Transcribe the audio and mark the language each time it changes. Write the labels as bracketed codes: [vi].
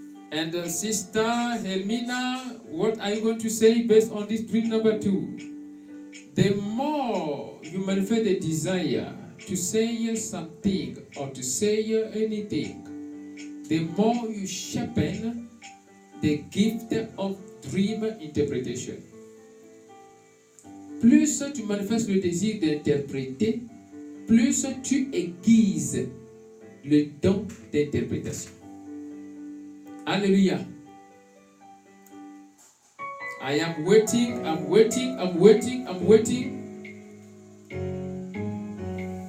[en] And Sister Helmina, what are you going to say based on this dream number two? The more you manifest the desire to say something or to say anything, the more you sharpen the gift of dream interpretation. [fr] Plus tu manifestes le désir d'interpréter, plus tu aiguises le don d'interprétation. Alléluia. [en] I am waiting, I'm waiting, I'm waiting, I'm waiting.